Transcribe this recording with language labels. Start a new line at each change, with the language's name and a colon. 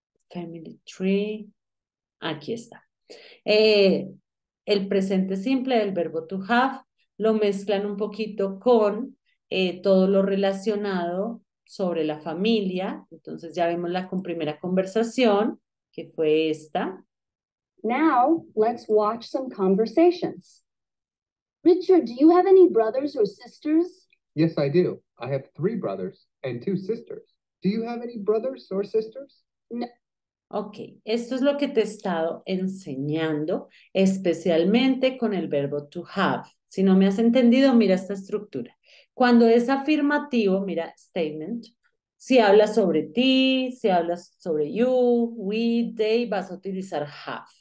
Spanish: Family Tree. Aquí está. El presente simple del verbo to have lo mezclan un poquito con todo lo relacionado sobre la familia. Entonces ya vemos la primera conversación, que fue esta.
English: Now, let's watch some conversations. Richard, do you have any brothers or sisters? Yes, I do. I have 3 brothers and 2 sisters. Do you have any brothers or sisters? No.
Spanish: Ok, esto es lo que te he estado enseñando, especialmente con el verbo to have. Si no me has entendido, mira esta estructura. Cuando es afirmativo, mira, statement, si hablas sobre ti, si hablas sobre you, we, they, vas a utilizar have.